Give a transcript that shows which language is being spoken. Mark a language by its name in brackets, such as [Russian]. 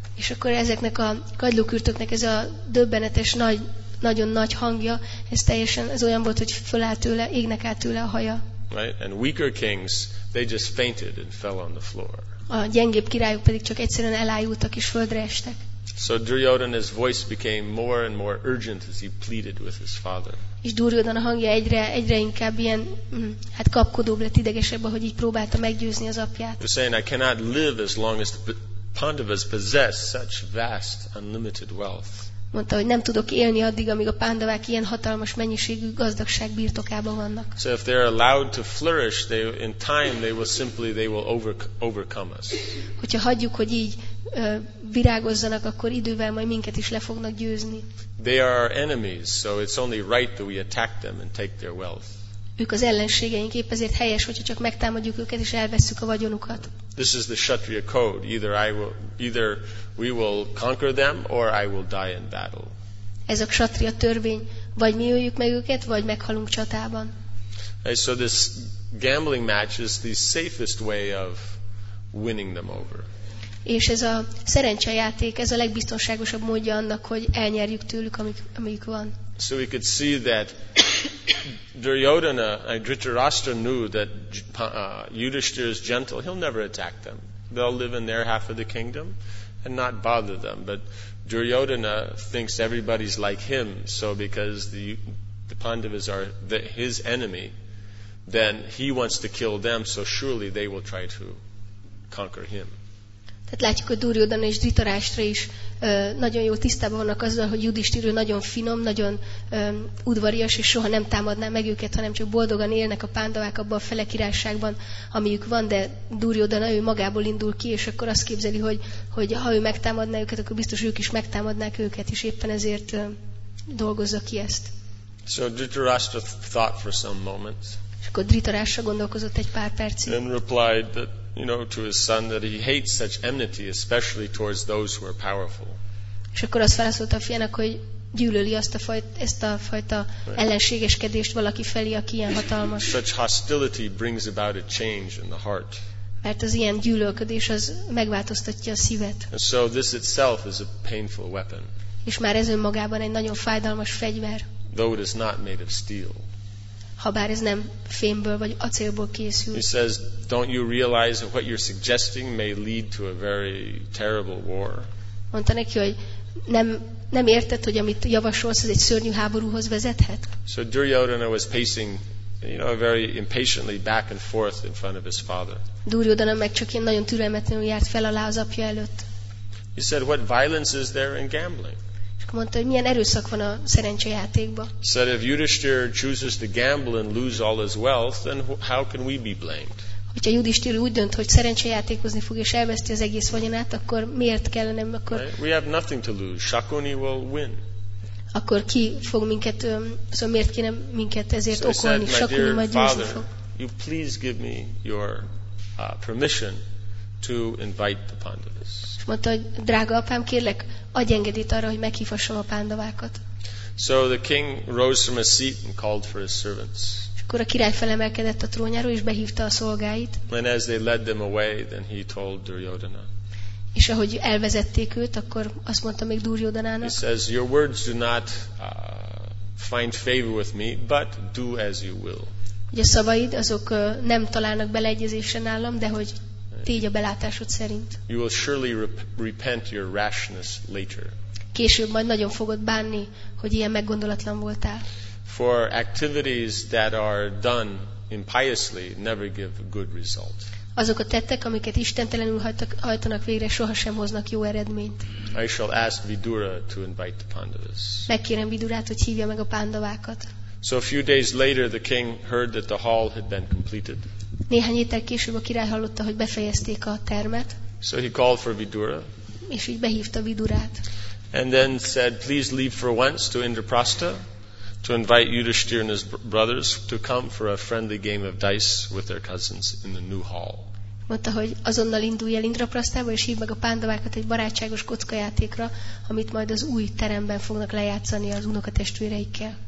[Hungarian] És akkor ezeknek a kagylókürtöknek ez a döbbenetes nagyon nagy hangja, ez olyan volt, hogy fölállt tőle, égnek át tőle a haja. [English] Right? And weaker kings, they just fainted and fell on the floor. [Hungarian] A gyengébb királyok pedig csak egyszerűen elájultak és földre estek. [English] So Duryodhana's voice became more and more urgent as he pleaded with his father. [Hungarian] És Duryodhana hangja egyre inkább ilyen kapkodóbb lett, idegesebb, ahogy így próbálta meggyőzni az apját. [English] He's saying, I cannot live as long as the Pandavas possess such vast, unlimited wealth. [Hungarian] Mondta, hogy nem tudok élni addig, amíg a Pándavák ilyen hatalmas mennyiségű gazdagság birtokában vannak. [English] So if they are allowed to flourish, they in time they will overcome us. [Hungarian] Hogyha hagyjuk, hogy így virágozzanak, akkor idővel majd minket is le fognak győzni. [English] They are our enemies, so it's only right that we attack them and take their wealth. [Hungarian] Ők az ellenségeink, épp ezért helyes, hogyha csak megtámadjuk őket és elvesszük a vagyonukat. [English] This is the Kshatriya code. Either we will conquer them or I will die in battle. [Hungarian] Ez a Kshatriya törvény, vagy mi öljük meg őket, vagy meghalunk csatában. [English] Okay, so this gambling match is the safest way of winning them over. [Hungarian] És ez a szerencsejáték, ez a legbiztonságosabb módja annak, hogy elnyerjük tőlük, amik van. [English] So we could see that Duryodhana and Dhritarashtra knew that Yudhishthira is gentle. He'll never attack them. They'll live in their half of the kingdom and not bother them. But Duryodhana thinks everybody's like him. So because the Pandavas are his enemy, then he wants to kill them, so surely they will try to conquer him. [Hungarian] Tehát látjuk, hogy Duryodhana és Dhritarashtra is nagyon jól tisztában vannak azzal, hogy Yudhishthira nagyon finom, nagyon udvarias, és soha nem támadná meg őket, hanem csak boldogan élnek a pándavák abban a felekirásságban, amiük van, de Duryodhana ő magából indul ki, és akkor azt képzeli, hogy, hogy ha ő megtámadná őket, akkor biztos ők is megtámadnák őket, és éppen ezért dolgozza ki ezt. [English] So Dhritarashtra thought for some moment. [Hungarian] És akkor Dhritarashtra gondolkozott egy pár percig. [English] And replied that, you know, to his son that he hates such enmity, especially towards those who are powerful. [Hungarian] És akkor azt válaszolta a fiának, hogy gyűlöli azt a fajta ellenségeskedést valaki felé, aki ilyen hatalmas. [English] Such hostility brings about a change in the heart. [Hungarian] Mert az ilyen gyűlölködés az megváltoztatja a szívet. [English] And so this itself is a painful weapon. [Hungarian] És már ez önmagában egy nagyon fájdalmas fegyver. [English] Though it is not made of steel. [Hungarian] Habár ez nem fémből vagy acélból készül. [English] He says, don't you realize that what you're suggesting may lead to a very terrible war? [Hungarian] Mondta neki, hogy nem érted, hogy amit javasolsz, ez egy szörnyű háborúhoz vezethet. [English] So Duryodhana was pacing, you know, very impatiently back and forth in front of his father. [Hungarian] Duryodhana meg csak én nagyon türelmetlenül járt fel alá az apja előtt. [English] He said, what violence is there in gambling? [Hungarian] Mondta, hogy milyen erőszak van a szerencsejátékban. [English] Said, if Yudhishthira chooses to gamble and lose all his wealth, then how can we be blamed? [Hungarian] Hogyha Yudhishthira úgy dönt, hogy szerencsejátékozni fog és elveszti az egész vagyonát, akkor miért kellene akkor? [English] Right? We have nothing to lose. Shakuni will win. [Hungarian] Akkor ki fog minket, szóval miért kéne minket ezért so okolni? Shakuni majd győzni fog. [English] You please give me your permission to invite the Pandavas. [Hungarian] Mondta, hogy drága apám, kérlek, adj engedélyt arra, hogy meghívhassam a pándavákat. [English] So the king rose from his seat and called for his servants. [Hungarian] És akkor a király felemelkedett a trónjáról és behívta a szolgáit. [English] And as they led them away, then he told Duryodhana. [Hungarian] És ahogy elvezették őt, akkor azt mondta még Duryodhanának. [English] He says, your words do not find favor with me, but do as you will. [Hungarian] Ugye a szavaid azok nem találnak beleegyezésre nálam, de hogy tégy a belátásod szerint. [English] You will surely repent your rashness later. [Hungarian] Később majd nagyon fogod bánni, hogy ilyen meggondolatlan voltál. [English] For activities that are done impiously never give a good result. [Hungarian] Azok a tettek, amiket istentelenül hajtanak végre, sohasem hoznak jó eredményt. [English] I shall ask Vidura to invite the Pandavas. [Hungarian] Megkérem Vidurát, hogy hívja meg a pándavákat. [English] So a few days later the king heard that the hall had been completed. [Hungarian] Néhány héttel később a király hallotta, hogy befejezték a termet. [English] So he called for Vidura. [Hungarian] És így behívta Vidurát. [English] And then said, please leave for once to Indraprastha to invite Yudhishthira and his brothers to come for a friendly game of dice with their cousins in the new hall. [Hungarian] Mondta, hogy azonnal indulj el Indraprasthába, és hívd meg a pándavákat egy barátságos kockajátékra, amit majd az új teremben fognak lejátszani az unokatestvéreikkel.